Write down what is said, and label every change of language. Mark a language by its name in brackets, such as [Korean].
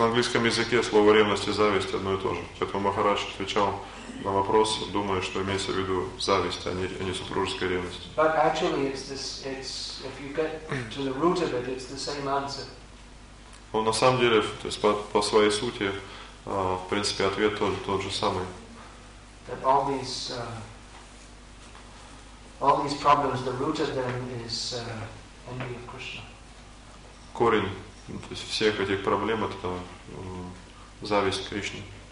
[Russian] в английском языке слово ревность и зависть одно и то же. Поэтому Махарадж отвечал на вопрос, думая, что имеется в виду зависть, а не супружеская ревность. [English] But actually it's if you get to the root of it, it's the same answer. [Russian] Но на самом деле, то есть по своей сути, в принципе, ответ тот же самый. [English] That all these problems, the root of them is envy of Krishna. [Russian] Корень, то есть всех этих проблем, это зависть к Кришне.